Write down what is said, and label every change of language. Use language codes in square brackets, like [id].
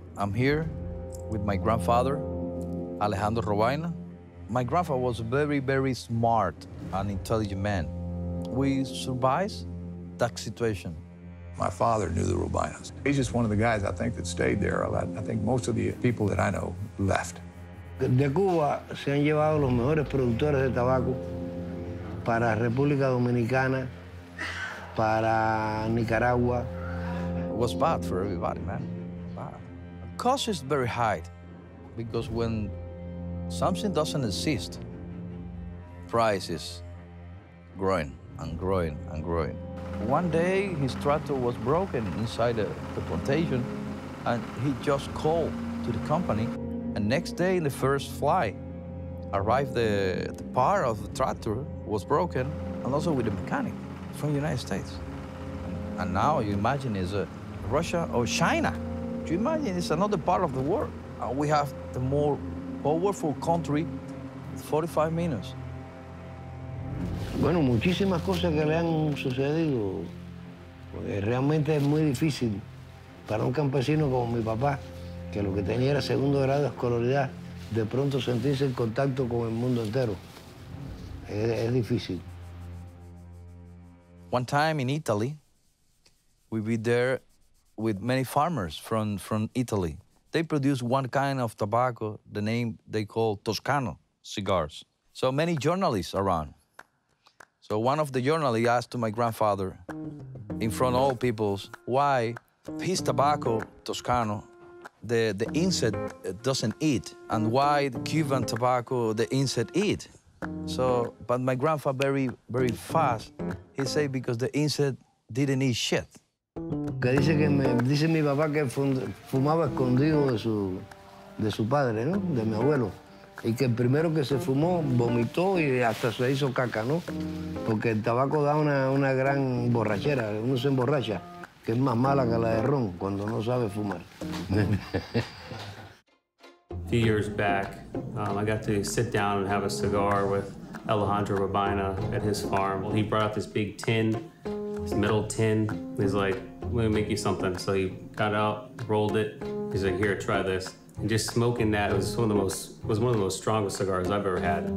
[en] I'm here with my grandfather, Alejandro Robaina. My grandfather was a very, very smart and intelligent man. We survived that situation. My father knew the Robainas. He's just one of the guys, I think, that stayed there a lot. I think most of the people that I know left. [es] De Cuba se han llevado los mejores productores de tabaco para República Dominicana, para Nicaragua. [en] It was bad for everybody, man. Bad. Cost is very high because when something doesn't exist, price is growing and growing and growing. One day, his tractor was broken inside the plantation, and he just called to the company. And next day, in the first fly, arrived the part of the tractor, was broken, and also with the mechanic from the United States. And now you imagine it's Russia or China. Do you imagine it's another part of the world? We have the more powerful country, 45 minutes. [es] Bueno, muchísimas cosas que le han sucedido. Realmente es muy difícil para un campesino como mi papá, que lo que tenía era segundo grado de escolaridad, de pronto sentirse en contacto con el mundo entero. Es difícil. [en] One time in Italy, we be there with many farmers from Italy. They produce one kind of tobacco, the name they call Toscano cigars. So many journalists around. So one of the journalists asked to my grandfather, in front of all peoples, why his tobacco, Toscano, the insect doesn't eat, and why the Cuban tobacco, the insect eat. So, but my grandfather very, very fast, he said because the insect didn't eat shit. [es] Que dice que me dice mi papá que fumaba escondido de su padre, ¿no? De mi abuelo, y que el primero que se fumó vomitó y hasta se hizo caca, ¿no? Porque el tabaco da una gran borrachera, uno se emborracha, que es más mala que la de ron cuando no sabe fumar. [en] A few years back, I got to sit down and have a cigar with Alejandro Robaina at his farm. Well, he brought out this big tin, this metal tin. He's like, let me make you something. So he got out, rolled it. He's like, here, try this. And just smoking that, it was one of the most strongest cigars I've ever had.